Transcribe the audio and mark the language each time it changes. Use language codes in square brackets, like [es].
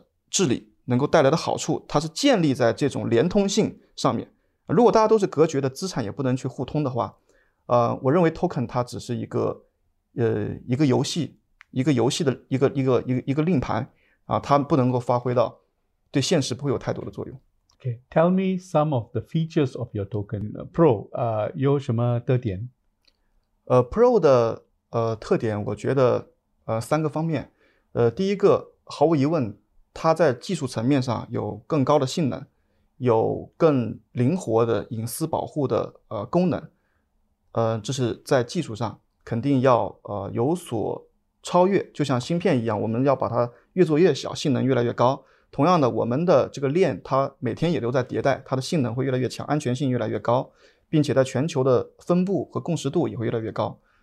[zh] 治理, 能够带来的好处, 它是建立在这种连通性上面, 如果大家都是隔绝的资产也不能去互通的话, 我认为Token它只是一个 一个游戏, 一个游戏的一个令盘, 它不能够发挥到对现实不会有太多的作用。 [en] Okay, tell me some of the features of your token Pro, [zh] 有什么特点? Pro的 特点我觉得 3个方面, 第一个, 毫无疑问, 它在技术层面上有更高的性能, 有更灵活的隐私保护的功能, 这是在技术上肯定要有所超越, 就像芯片一样, 我们要把它越做越小, 性能越来越高, 同样的, 我们的这个链, 它每天也都在迭代, 它的性能会越来越强, 安全性越来越高, 并且在全球的分布和共识度也会越来越高。